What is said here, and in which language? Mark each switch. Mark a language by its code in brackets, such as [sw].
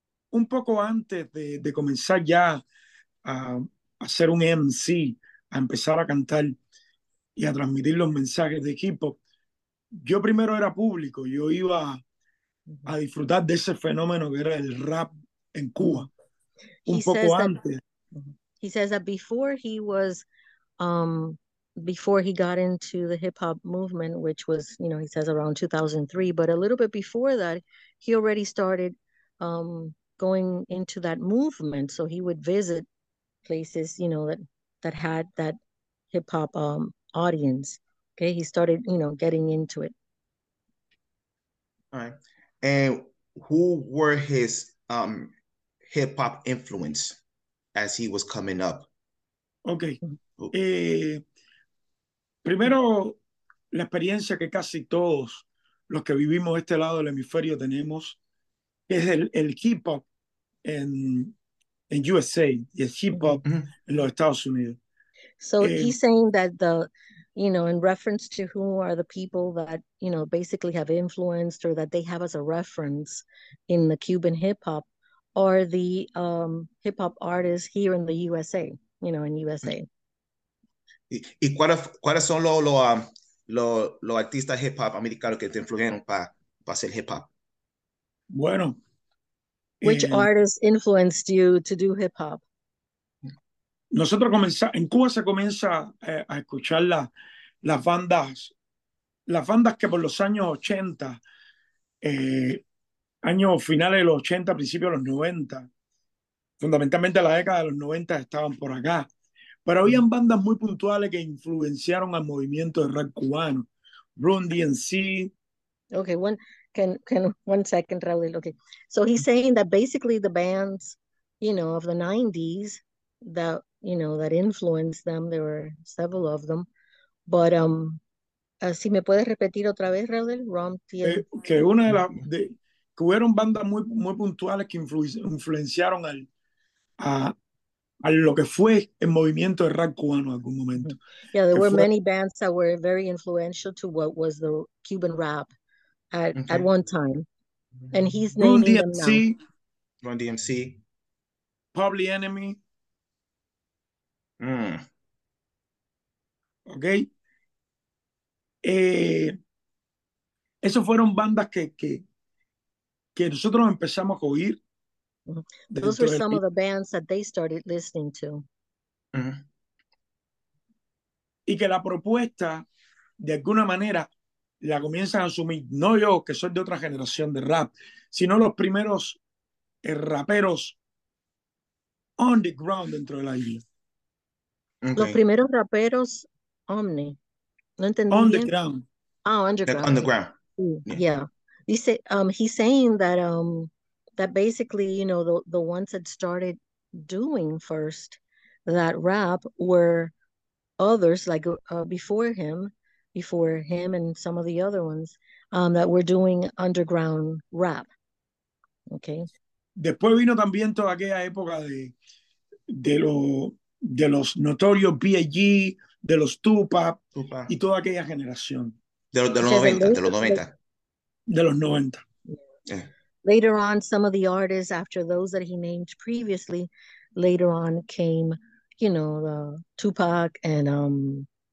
[es] Un poco antes de comenzar ya a ser un MC, a empezar a cantar y a transmitir los mensajes de hip hop, yo primero era público, yo iba a disfrutar de ese fenómeno que era el rap en Cuba, un poco antes. [en] He says that before he was, before he got into the hip hop movement, which was, you know, he says around 2003, but a little bit before that, he already started going into that movement, so he would visit places, you know, that had that hip hop audience. Okay, he started, you know, getting into it. All right, and who were his hip hop influence as he was coming up? [es] Okay, primero la experiencia que casi todos los que vivimos este lado del hemisferio tenemos es el hip hop. [en] In USA, yes, hip hop in [es] los Estados Unidos. [en] So he's saying that the, you know, in reference to who are the people that, you know, basically have influenced or that they have as a reference in the Cuban hip hop, are the hip hop artists here in the USA, you know, in USA. [es] ¿Y cuáles son los artistas hip hop americanos que te influyeron para hacer hip hop? Bueno. [en] Which artist influenced you to do hip hop? [es] Nosotros comenzamos en Cuba, se comienza a escuchar las bandas que por los años 80, años finales de los 80, principios de los 90, fundamentalmente la década de los 90 estaban por acá. Pero habían bandas muy puntuales que influenciaron al movimiento de rap cubano. Run DMC. [en] Okay, one. Can 1 second, Raúl. Okay, so he's saying that basically the bands, you know, of the 90s, that, you know, that influenced them. There were several of them, but [es] si me puedes repetir otra vez, Raúl, Rom tiene que una de las de que hubieron bandas muy muy puntuales que influenciaron a lo que fue el movimiento de rap cubano en algún momento. [en] Yeah, there were many bands that were very influential to what was the Cuban rap. At one time, and he's naming them now. Run DMC, Public Enemy. Okay. [es] Esos fueron bandas que nosotros empezamos a oír. [en] Those were some of the bands that they started listening to. [es] Y que la propuesta, de alguna manera, la comienzan a asumir, no yo, que soy de otra generación de rap, sino los primeros raperos underground dentro de la isla. [en] Okay. [es] Los primeros raperos omni. ¿No entendí? [en] Underground. Ah, underground. Underground. Yeah. [es] Dice, [en] he's saying that that basically, you know, the ones that started doing first that rap were others, like before him and some of the other ones that were doing underground rap. Okay. [es] Después vino también toda aquella época de los notorios B.I.G., de los Tupac, y toda aquella generación. De los 90. [en] Yeah. Later on, some of the artists after those that he named previously, later on came, you know, Tupac and